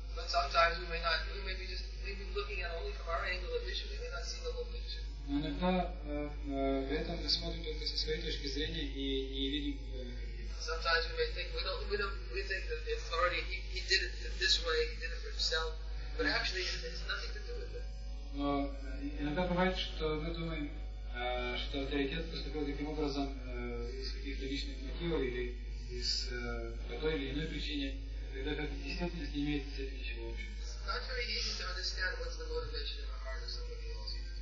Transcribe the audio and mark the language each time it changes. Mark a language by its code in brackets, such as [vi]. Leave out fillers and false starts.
[en] But sometimes we may be looking at only from our angle of vision. We may not see the whole picture. [ru] Но иногда в этом мы смотрим только со своей точки зрения и не видим. [en] Sometimes we may think we think that the authority he did it this way, he did it for himself, but actually it has nothing to do with it. [ru] Но иногда бывает, что мы думаем, что авторитет поступил таким образом из каких-то личных мотивов или из той или иной причины, когда как действительно не имеет с этим ничего общего. [en] It's not very easy to understand what's the motivation in the heart of somebody else.